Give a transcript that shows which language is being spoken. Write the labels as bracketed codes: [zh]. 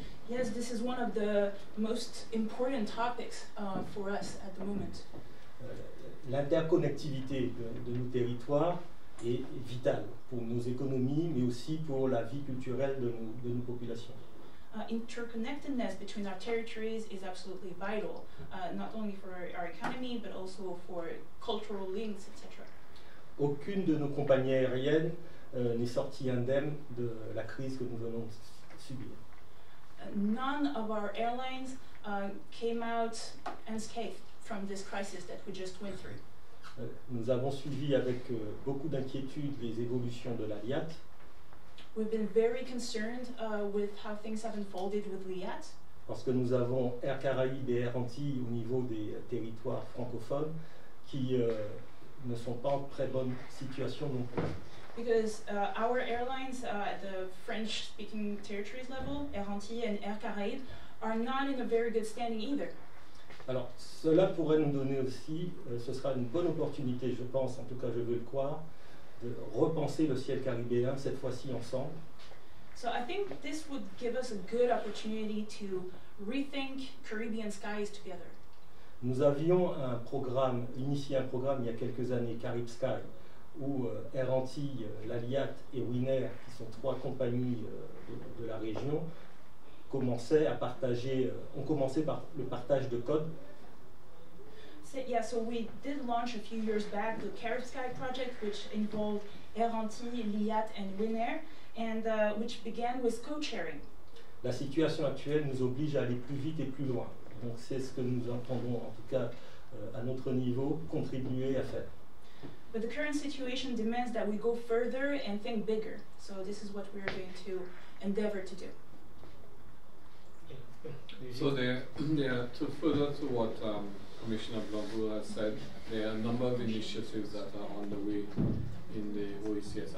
[en] Yes, this is one of the most important topics for us at the moment. [fr] L'interconnectivité de nos territoires est vitale pour nos économies, mais aussi pour la vie culturelle de nos populations. [en] Interconnectedness between our territories is absolutely vital, not only for our economy, but also for cultural links, etc. [fr] Aucune de nos compagnies aériennes n'est sortie indemne de la crise que nous venons de subir. [en] None of our airlines came out unscathed from this crisis that we just went through. [fr] Nous avons suivi avec beaucoup d'inquiétude les évolutions de l'Aliat. [en] We've been very concerned with how things have unfolded with Liat. [fr] Parce que nous avons Air Caraïbes et Air Antilles au niveau des territoires francophones qui ne sont pas en très bonne situation non plus. [en] Because our airlines at the French-speaking territories level, Air Antilles and Air Caraïbes, are not in a very good standing either. [fr] Alors, cela pourrait nous donner aussi, ce sera une bonne opportunité, je pense, en tout cas je veux le croire, de repenser le ciel caribéen, cette fois-ci ensemble. [en] So I think this would give us a good opportunity to rethink Caribbean skies together. [fr] Nous avions un programme, initié un programme il y a quelques années, Carib Sky, où Air Antilles, l'Aliat et Winair, qui sont trois compagnies de la région, commençaient à partager, ont commencé par le partage de codes. [en] So we did launch a few years back the Carib Sky project, which involved Air Antilles, Liat and Winair, and which began with co-sharing. [fr] La situation actuelle nous oblige à aller plus vite et plus loin. Donc c'est ce que nous entendons, en tout cas, à notre niveau, contribuer à faire. [en] But the current situation demands that we go further and think bigger. So this is what we are going to endeavor to do. So there are to further to what Commissioner Blanbourg has said, there are a number of initiatives that are underway in the OECS.